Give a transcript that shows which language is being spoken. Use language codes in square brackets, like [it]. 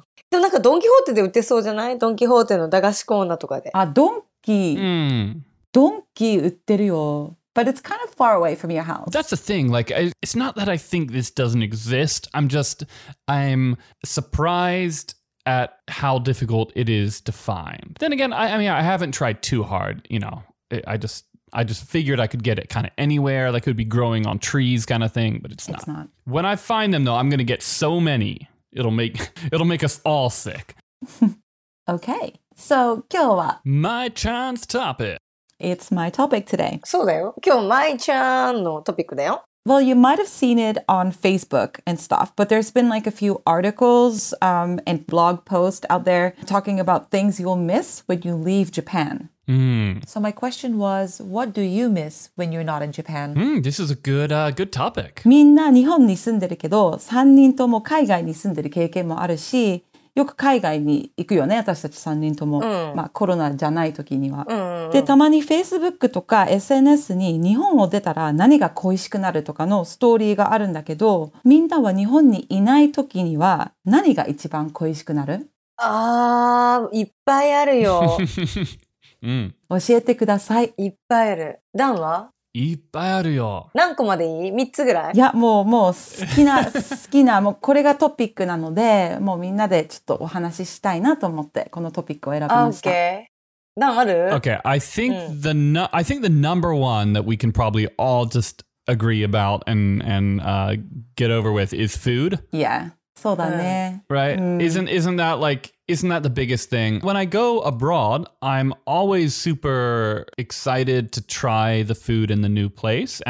[ja] でもなんかドンキホーテで売ってそうじゃない?ドンキホーテの駄菓子コーナーとかで。あ、ドンキ。ドンキ売ってるよ。 [en] But it's kind of far away from your house. That's the thing. Like, it's not that I think this doesn't exist. I'm surprised at how difficult it is to find. Then again, I mean, I haven't tried too hard, you know. I just figured I could get it kind of anywhere, like it would be growing on trees kind of thing, but it's not. When I find them, though, I'm going to get so many, it'll make us all sick. Okay, so [ja] 今日は [en] My chance topic. It's my topic today. [ja] そうだよ。今日 My chance のトピックだよ。 [en] Well, you might have seen it on Facebook and stuff, but there's been like a few articles and blog posts out there talking about things you'll miss when you leave Japan. Mm. So my question was, what do you miss when you're not in Japan? Mm, this is a good topic. [ja] みんな日本に住んでるけど、3人とも海外に住んでる経験もあるし、よく海外に行くよね、私たち3人とも。うん、まあコロナじゃない時には。うん、で、たまに Facebook とか SNS に日本を出たら何が恋しくなるとかのストーリーがあるんだけど、みんなは日本にいない時には何が一番恋しくなる？あー、いっぱいあるよ。うん、教えてください。いっぱいある。ダンはいっぱいあるよ。何個までいい？3つぐらい。いや、もう好きな好きな、もうこれがトピックなので、もうみんなでちょっとお話ししたいなと思ってこのトピックを選びました。 OK。 ダンある？ [en] OK。 I think the number one that we can probably all just agree about and get over with is food. [ja] Yeah, そうだね。 [en] Right. Isn't that likeIsn't that the biggest thing? When I go abroad, I'm always super excited to try the food in the new place.